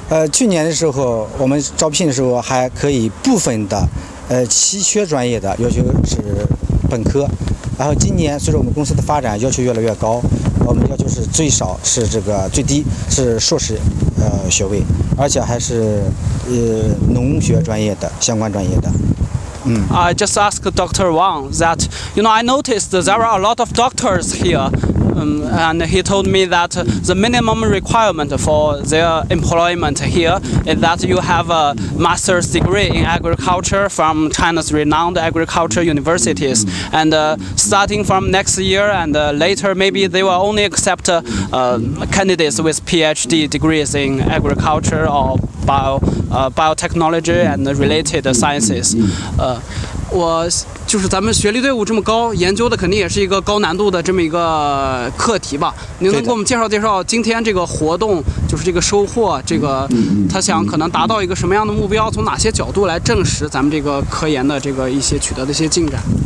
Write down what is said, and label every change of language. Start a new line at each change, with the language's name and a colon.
Chinese: 去年的时候，我们招聘的时候还可以部分的，稀缺专业的要求是本科。然后今年随着我们公司的发展，要求越来越高，我们要求是最少是这个最低是硕士，学位，而且还是农学专业的相关专业的。
English: I just ask Dr. Wang that you know I noticed there are a lot of doctors here. And he told me that the minimum requirement for their employment here is that you have a master's degree in agriculture from China's renowned agriculture universities. And starting from next year and later, maybe they will only accept candidates with PhD degrees in agriculture or biotechnology and related sciences.
Chinese: 我就是咱们学历队伍这么高，研究的肯定也是一个高难度的这么一个课题吧。您能给我们介绍介绍今天这个活动，就是这个收获，这个他想可能达到一个什么样的目标，从哪些角度来证实咱们这个科研的这个一些取得的一些进展？